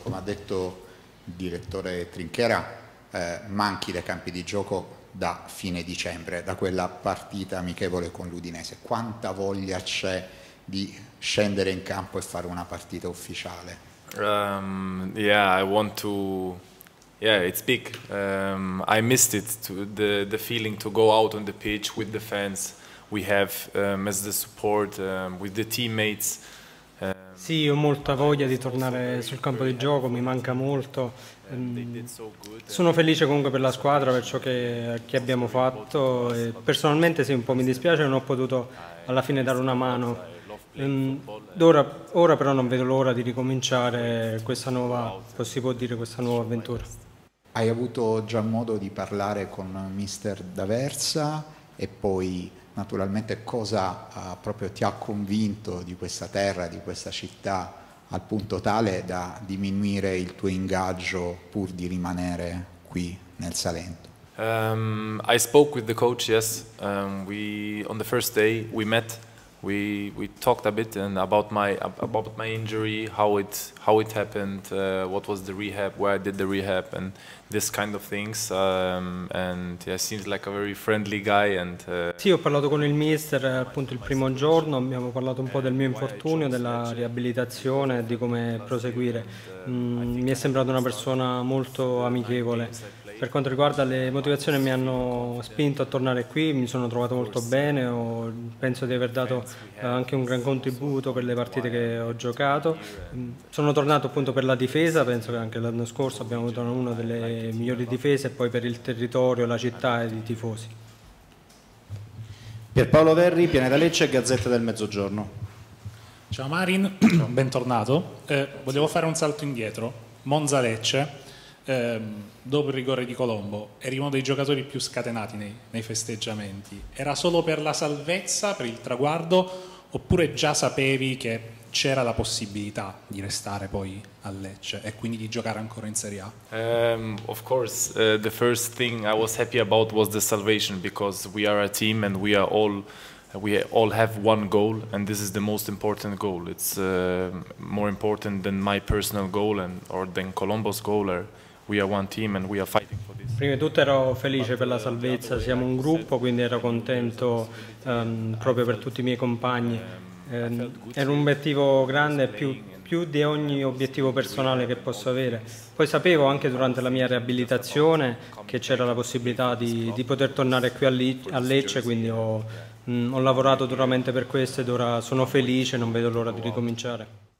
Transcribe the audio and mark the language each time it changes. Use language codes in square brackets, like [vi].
[it] Come ha detto il direttore Trinchiera, manchi dai campi di gioco da fine dicembre, da quella partita amichevole con l'Udinese. Quanta voglia c'è di scendere in campo e fare una partita ufficiale? [en] Yeah, it's big. I missed it, the feeling to go out on the pitch with the fans we have as the support, with the teammates. [it] Sì, ho molta voglia di tornare sul campo di gioco, mi manca molto. Sono felice comunque per la squadra, per ciò che abbiamo fatto. E personalmente sì, un po' mi dispiace, non ho potuto alla fine dare una mano. Ora però non vedo l'ora di ricominciare questa nuova, si può dire, questa nuova avventura. Hai avuto già modo di parlare con mister D'Aversa, e poi naturalmente cosa proprio ti ha convinto di questa terra, di questa città, al punto tale da diminuire il tuo ingaggio pur di rimanere qui nel Salento? [en] I spoke with the coach, yes. We on the first day we met, we talked a bit and about my injury, how it happened, what was the rehab, where I did the rehab and this kind of things, and yeah, seems like a very friendly guy. And [it] sì, ho parlato con il mister appunto il primo giorno, abbiamo parlato un po' del mio infortunio, della riabilitazione, di come proseguire. Mi è sembrato una persona molto amichevole. Per quanto riguarda le motivazioni, mi hanno spinto a tornare qui, mi sono trovato molto bene, penso di aver dato anche un gran contributo per le partite che ho giocato. Sono tornato appunto per la difesa, penso che anche l'anno scorso abbiamo avuto una delle migliori difese, e poi per il territorio, la città e i tifosi. Pierpaolo Verri, Pianeta Lecce, Gazzetta del Mezzogiorno. Ciao Marin, bentornato. Volevo fare un salto indietro. Monza Lecce, dopo il rigore di Colombo, eri uno dei giocatori più scatenati nei festeggiamenti. Era solo per la salvezza, per il traguardo, oppure già sapevi che c'era la possibilità di restare poi a Lecce e quindi di giocare ancora in Serie A? [en] Of course, the first thing I was happy about was the salvation, because we are a team and we all have one goal, and this is the most important goal. It's more important than my personal goal or than Colombo's goal. We are one team and we are fighting for this. [it] Prima di tutto ero felice per la salvezza, siamo un gruppo, quindi ero contento proprio per tutti i miei compagni. Era un obiettivo grande, più di ogni obiettivo personale che posso avere. Poi sapevo anche durante la mia riabilitazione che c'era la possibilità di poter tornare qui a Lecce, quindi ho lavorato duramente per questo ed ora sono felice, non vedo l'ora di ricominciare.